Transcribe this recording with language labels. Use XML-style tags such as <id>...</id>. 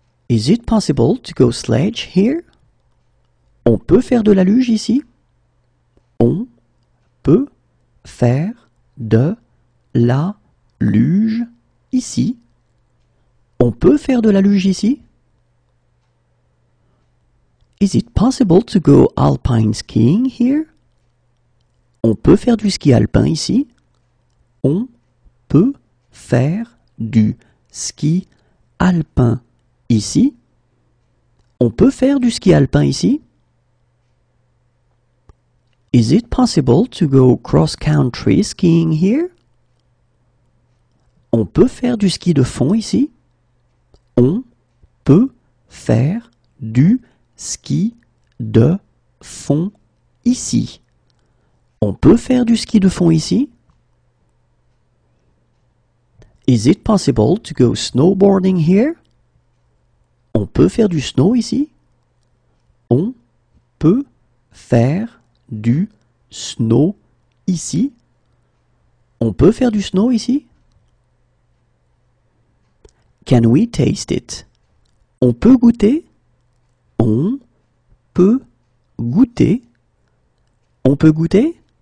<en>Is it possible to go sledge here?</en> <fr>On peut faire de la luge ici? On peut faire de la luge ici? On peut faire de la luge ici?</fr> <en>Is it possible to go alpine skiing here?</en> <fr>On peut faire du ski alpin ici? On peut faire du ski alpin ici? On peut faire du ski alpin ici?</fr> <en>Is it possible to go cross-country skiing here?</en> <fr>On peut faire du ski de fond ici? On peut faire du ski de fond ici. On peut faire du ski de fond ici?</fr> <en>Is it possible to go snowboarding here?</en> <fr>On peut faire du snow ici? On peut faire du snow ici? On peut faire du snow ici?</fr> <en>Can we taste it?</en> <fr>On peut goûter? On peut goûter? On peut goûter?</fr>